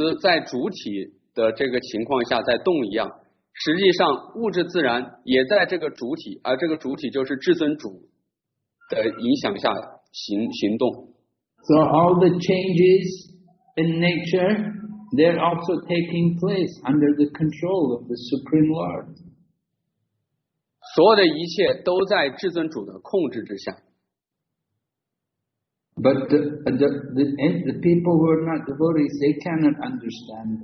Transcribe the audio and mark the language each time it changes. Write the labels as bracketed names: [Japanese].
[Chinese] 就像影子在主体的这个情况下在动一样, 实际上物质自然也在这个主体, 而这个主体就是至尊主的影响下行动。 [English] So all the changes in nature, they're also taking place under the control of the Supreme Lord. [Chinese] 所有的一切都在至尊主的控制之下。 [English] But the people who are not devotees, they cannot understand.